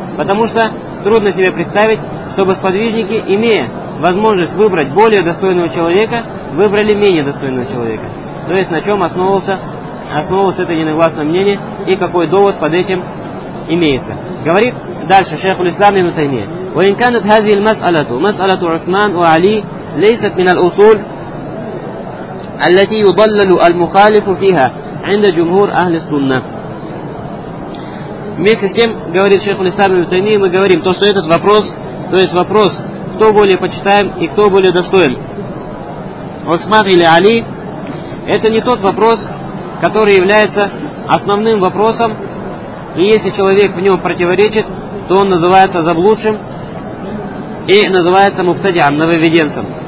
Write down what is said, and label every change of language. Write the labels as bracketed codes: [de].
[ru] Потому что трудно себе представить, чтобы сподвижники, имея возможность выбрать более достойного человека, выбрали менее достойного человека. То есть на чем основывалось это единогласное мнение и какой довод под этим имеется. Говорит дальше шейх аль-Ислам ибн Таймия. [ar] وإن كانت هذه المسألة مسألة عثمان وعلي ليست من الأصول التي يضلل المخالف فيها عند جمهور أهل السنة. [ru] Вместе с тем, говорит шейх аль-Ислам ибн Таймия, мы говорим, то, что этот вопрос, то есть вопрос, кто более почитаем и кто более достоин, Усман или Али, это не тот вопрос, который является основным вопросом, и если человек в нем противоречит, то он называется заблудшим и называется мубтадиан, нововеденцем.